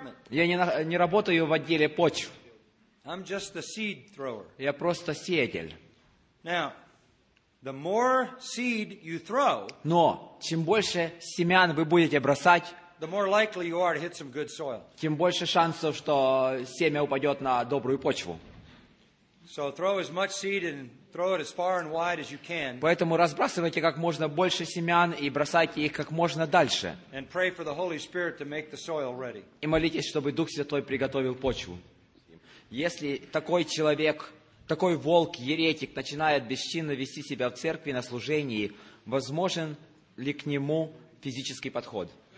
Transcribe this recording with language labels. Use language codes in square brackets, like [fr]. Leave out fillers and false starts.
[ru] Я не работаю в отделе почв. [en] I'm just the seed thrower. [ru] Я просто сеятель. [en] Now, the more seed you throw, [ru] но чем больше семян вы будете бросать, [en] the more likely you are to hit some good soil. [ru] Тем больше шансов, что семя упадет на добрую почву. [en] So throw as much seed and throw it as far and wide as you can. [ru] Поэтому разбрасывайте как можно больше семян и бросайте их как можно дальше. [en] And pray for the Holy Spirit to make the soil ready. [ru] И молитесь, чтобы Дух Святой приготовил почву. Если такой человек, такой волк, еретик, начинает бесчинно вести себя в церкви на служении, возможен ли к нему физический подход?